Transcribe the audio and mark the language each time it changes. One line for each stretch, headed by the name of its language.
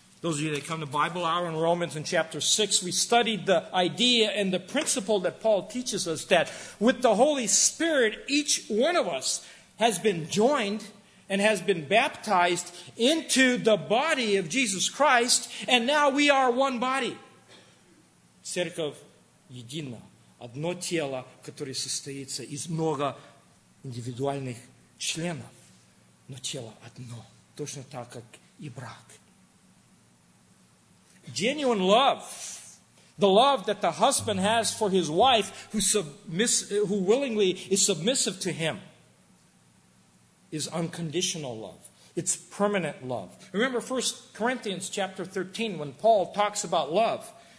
English: Those of you that come to Bible Hour in Romans in chapter 6, we studied the idea and the principle that Paul teaches us that with the Holy Spirit, each one of us has been joined and has been baptized into the body of Jesus Christ, and now we are one body.
Russian: Церковь едина, одно тело, которое состоится из много индивидуальных членов, но тело одно, точно так, как и брак.
English: Genuine love, the love that the husband has for his wife who willingly is submissive to him, is unconditional love. It's permanent love. Remember 1 Corinthians chapter 13 when Paul talks about love.